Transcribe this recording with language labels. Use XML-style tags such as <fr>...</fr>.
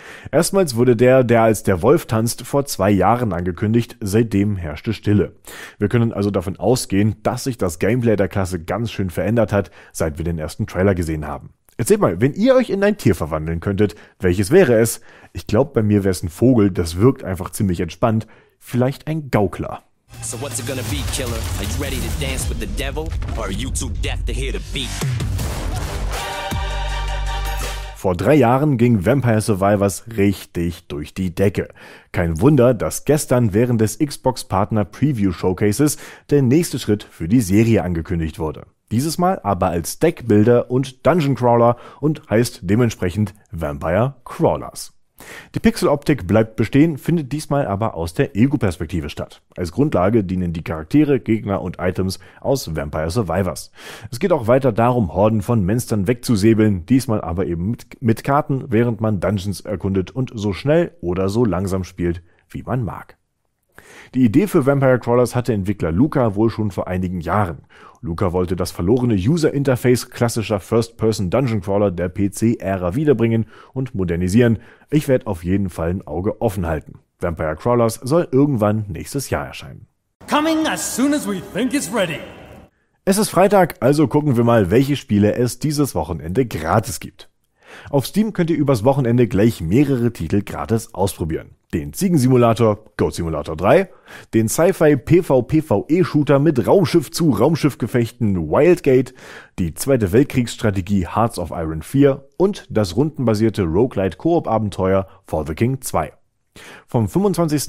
<de>Erstmals wurde der, der als der Wolf tanzt, vor 2 Jahren angekündigt, seitdem herrschte Stille. Wir können also davon ausgehen, dass sich das Gameplay der Klasse ganz schön verändert hat, seit wir den ersten Trailer gesehen haben. Erzählt mal, wenn ihr euch in ein Tier verwandeln könntet, welches wäre es? Ich glaube, bei mir wäre es ein Vogel, das wirkt einfach ziemlich entspannt. Vielleicht ein Gaukler.</de> <en>So what's it gonna be, killer? Are you ready to dance with the devil? Or are you too deaf to hear the beat?</en> <de>Vor 3 Jahren ging Vampire Survivors richtig durch die Decke. Kein Wunder, dass gestern während des Xbox Partner Preview Showcases der nächste Schritt für die Serie angekündigt wurde. Dieses Mal aber als Deckbuilder und Dungeon Crawler und heißt dementsprechend Vampire Crawlers. Die Pixeloptik bleibt bestehen, findet diesmal aber aus der Ego-Perspektive statt. Als Grundlage dienen die Charaktere, Gegner und Items aus Vampire Survivors. Es geht auch weiter darum, Horden von Monstern wegzusäbeln, diesmal aber eben mit Karten, während man Dungeons erkundet und so schnell oder so langsam spielt, wie man mag. Die Idee für Vampire Crawlers hatte Entwickler Luca wohl schon vor einigen Jahren. Luca wollte das verlorene User-Interface klassischer First-Person-Dungeon-Crawler der PC-Ära wiederbringen und modernisieren. Ich werde auf jeden Fall ein Auge offen halten. Vampire Crawlers soll irgendwann nächstes Jahr erscheinen.</de> <en>Coming as soon as we think it's ready.</en> <de>Es ist Freitag, also gucken wir mal, welche Spiele es dieses Wochenende gratis gibt. Auf Steam könnt ihr übers Wochenende gleich mehrere Titel gratis ausprobieren. Den Ziegensimulator, Goat Simulator 3, den Sci-Fi PvPvE-Shooter mit Raumschiff zu Raumschiffgefechten Wildgate, die zweite Weltkriegsstrategie Hearts of Iron 4 und das rundenbasierte Roguelite-Koop-Abenteuer For the King 2. Vom 25.</de>